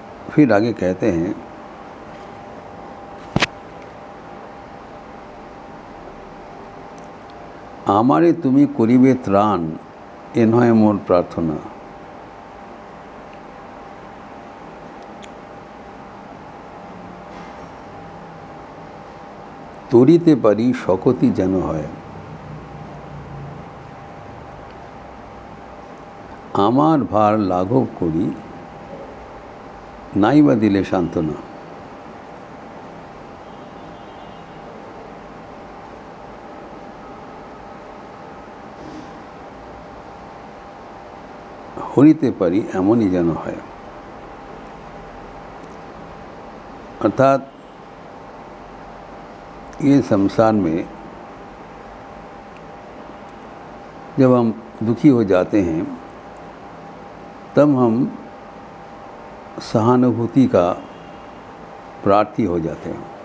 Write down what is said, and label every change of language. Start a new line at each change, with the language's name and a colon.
Hindi: फिर आगे कहते हैं,
Bangla: आमारे तुम्हि करिबे त्राण ए नहे मोर प्रार्थना, তরিতে পারি শকতি যেন হয়। আমার ভার লাঘব করি নাই বা দিলে সান্ত্বনা, হরিতে পারি এমনই যেন হয়।
Hindi: অর্থাৎ ये संसार में जब हम दुखी हो जाते हैं तब हम सहानुभूति का प्रार्थी हो जाते हैं।